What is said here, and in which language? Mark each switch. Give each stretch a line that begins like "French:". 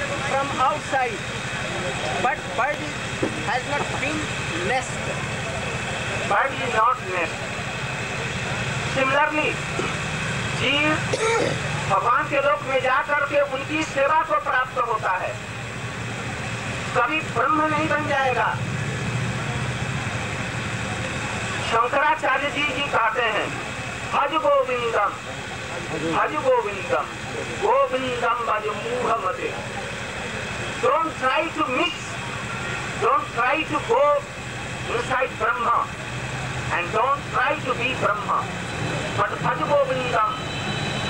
English: from outside, but bird has not been nest, bird is not nest.
Hindi: Similarly, जीव भगवान के लोक में जा करके उनकी सेवा को प्राप्त होता है, कभी ब्रह्म नहीं बन जाएगा। शंकराचार्य जी कहते हैं
Sanskrit: भज गोविंदम, भज गोविंदम गोविंदम भज मूढ़ मते,
English: don't try to mix, don't try to go inside Brahma and don't try to be Brahma, but Bhaj Govindam,